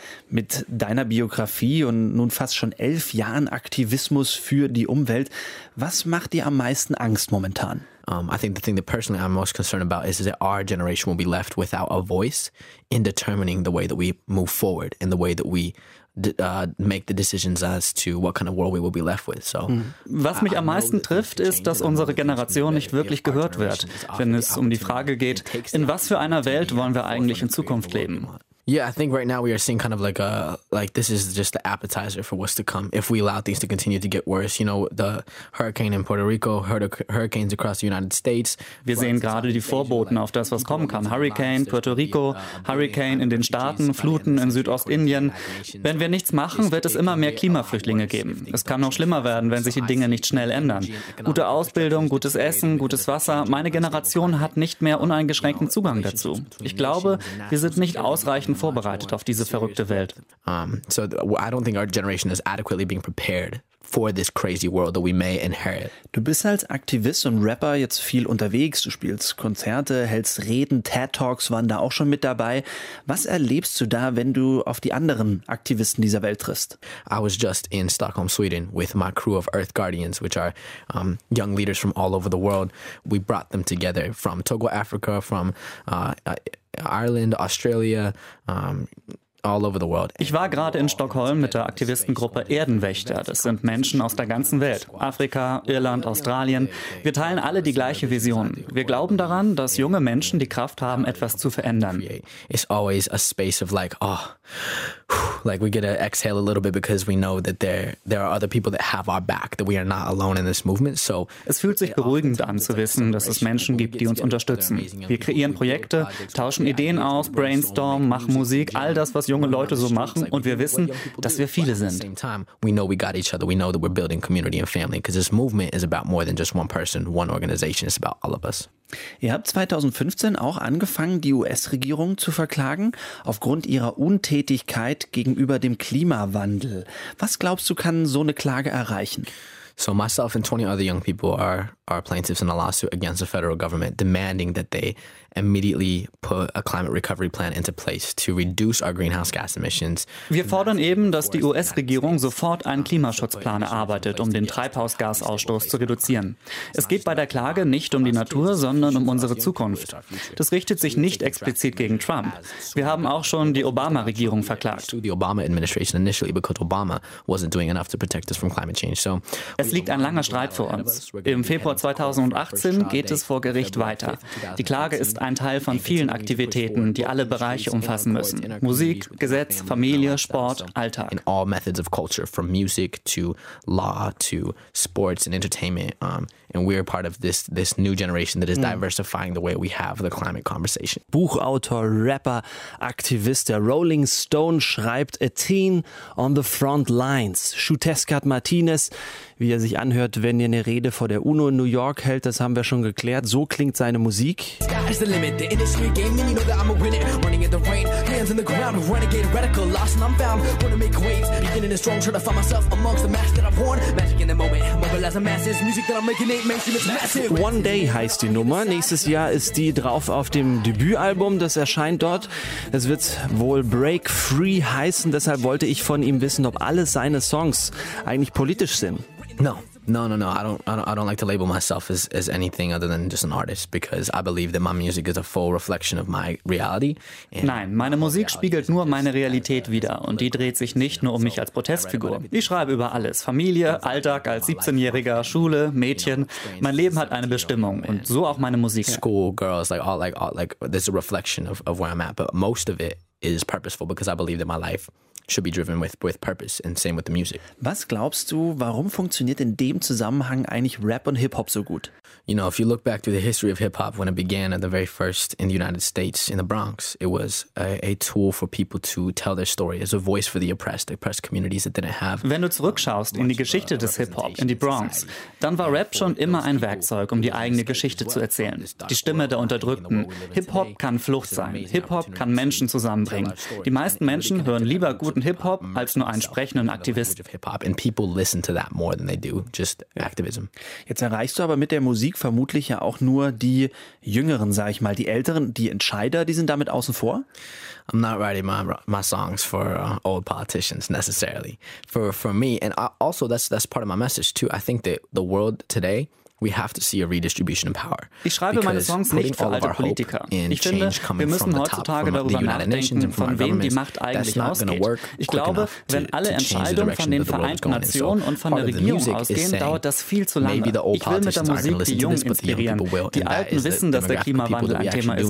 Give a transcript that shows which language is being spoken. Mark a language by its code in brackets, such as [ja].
[de] Mit deiner Biografie und nun fast schon 11 Jahren Aktivismus für die Umwelt. Was macht dir am meisten Angst momentan? [en] I think the thing that personally I'm most concerned about is that our generation will be left without a voice in determining the way that we move forward and the way that we make the decisions as to what kind of world we will be left with. So, [de] was mich am meisten trifft, ist, dass unsere Generation nicht wirklich gehört wird, wenn es um die Frage geht, in was für einer Welt wollen wir eigentlich in Zukunft leben? [en] Yeah, I think right now we are seeing kind of like a, like this is just the appetizer for what's to come. If we allow things to continue to get worse, you know, the hurricane in Puerto Rico, hurricanes across the United States. [de] Wir sehen gerade die Vorboten auf das, was kommen kann. Hurricane, Puerto Rico, Hurricane in den Staaten, Fluten in Südostindien. Wenn wir nichts machen, wird es immer mehr Klimaflüchtlinge geben. Es kann noch schlimmer werden, wenn sich die Dinge nicht schnell ändern. Gute Ausbildung, gutes Essen, gutes Wasser. Meine Generation hat nicht mehr uneingeschränkten Zugang dazu. Ich glaube, wir sind nicht ausreichend vorbereitet auf diese verrückte Welt. [en] I don't think our generation is adequately being prepared for this crazy world that we may inherit. [de] Du bist als Aktivist und Rapper jetzt viel unterwegs, du spielst Konzerte, hältst Reden, TED Talks waren da auch schon mit dabei. Was erlebst du da, wenn du auf die anderen Aktivisten dieser Welt triffst? [en] I was just in Stockholm, Sweden with my crew of Earth Guardians, which are young leaders from all over the world. We brought them together from Togo, Africa, from Ireland, Australia, all over the world. [de] Ich war gerade in Stockholm mit der Aktivistengruppe Erdenwächter. Das sind Menschen aus der ganzen Welt. Afrika, Irland, Australien. Wir teilen alle die gleiche Vision. Wir glauben daran, dass junge Menschen die Kraft haben, etwas zu verändern. [en] It's always a space of like, oh, like we get to exhale a little bit because we know that there are other people that have our back, that we are not alone in this movement. So [de] es fühlt sich beruhigend an zu wissen, dass es Menschen gibt, die uns unterstützen. Wir kreieren Projekte, tauschen Ideen aus, brainstormen, machen Musik, all das, was junge Leute so machen, und wir wissen, dass wir viele sind. [en] We know we got each other. We know that we're building community and family, because this movement is about more than just one person, one organization. It's about all of us. [de] Ihr habt 2015 auch angefangen, die US-Regierung zu verklagen, aufgrund ihrer Untätigkeit gegenüber dem Klimawandel. Was glaubst du, kann so eine Klage erreichen? [en] So myself and 20 other young people are plaintiffs in a lawsuit against the federal government demanding that they immediately put a climate recovery plan into place to reduce our greenhouse gas emissions. [de] Wir fordern eben, dass die US-Regierung sofort einen Klimaschutzplan erarbeitet, um den Treibhausgasausstoß zu reduzieren. Es geht bei der Klage nicht um die Natur, sondern um unsere Zukunft. Das richtet sich nicht explizit gegen Trump. Wir haben auch schon die Obama-Regierung verklagt. [en] The Obama administration initially because Obama wasn't doing enough to protect us from climate change. So [de] es liegt ein langer Streit vor uns. Im Februar 2018 geht es vor Gericht weiter. Die Klage ist ein Teil von vielen Aktivitäten, die alle Bereiche umfassen müssen. Musik, Gesetz, Familie, Sport, Alltag. [en] In all methods of culture, from music to law to sports and entertainment. And we're part of this new generation that is diversifying the way we have the climate conversation. [de] Buchautor, Rapper, Aktivist der Rolling Stone schreibt A Teen on the Front Lines. Shutescat Martinez, wie er sich anhört, wenn er eine Rede vor der UNO in New York hält, das haben wir schon geklärt. So klingt seine Musik. [en] Sky is the limit, the industry game, and you know that I'm a winner. Running in the rain, hands in the ground, renegade, radical, lost, and I'm found. Wanna make waves, beginning in a strong, trying to find myself amongst the masks that I've worn. Magic in the moment, mobilize a masses, music that I'm making. [de] One Day heißt die Nummer. Nächstes Jahr ist die drauf auf dem Debütalbum, das erscheint dort. Es wird wohl Break Free heißen. Deshalb wollte ich von ihm wissen, ob alle seine Songs eigentlich politisch sind. [en] No. I don't like to label myself as anything other than just an artist, because I believe that my music is a full reflection of my reality. [de] Nein, meine Musik spiegelt nur meine Realität wider und die dreht sich nicht nur um mich als Protestfigur. Ich schreibe über alles: Familie, Alltag als 17-Jähriger, Schule, Mädchen. Mein Leben hat eine Bestimmung und so auch meine Musik. [en] School, girls, like this is a reflection of where I'm at, but most of it is purposeful because I believe that my life should be driven with purpose, and same with the music. [de] Was glaubst du, warum funktioniert in dem Zusammenhang eigentlich Rap und Hip-Hop so gut? [en] You know, if you look back through the history of Hip-Hop, when it began at the very first in the United States, in the Bronx, it was a tool for people to tell their story as a voice for the oppressed communities that didn't have... [de] Wenn du zurückschaust in die Geschichte des Hip-Hop, in die Bronx, dann war Rap schon immer ein Werkzeug, um die eigene Geschichte zu erzählen. Die Stimme der Unterdrückten. Hip-Hop kann Flucht sein. Hip-Hop kann Menschen zusammenbringen. Die meisten Menschen hören lieber guten Hip-Hop als nur einen sprechenden Aktivisten. [en] And people listen to that more than they do just activism. [de] Jetzt erreichst du aber mit der Musik vermutlich ja auch nur die Jüngeren, sag ich mal, die Älteren, die Entscheider, die sind damit außen vor? [en] I'm not writing my songs for old politicians necessarily. For me, and also that's part of my message too. I think that the world today, we have to see a redistribution of power. [de] Ich schreibe meine Songs nicht für alte Politiker. Ich finde, wir müssen heutzutage darüber nachdenken, von wem die Macht eigentlich ausgeht. Ich glaube, wenn alle Entscheidungen von den Vereinten Nationen und von der Regierung ausgehen, dauert das viel zu lange. Ich will mit der Musik die Jungen inspirieren. Die Alten wissen, dass der Klimawandel ein Thema ist.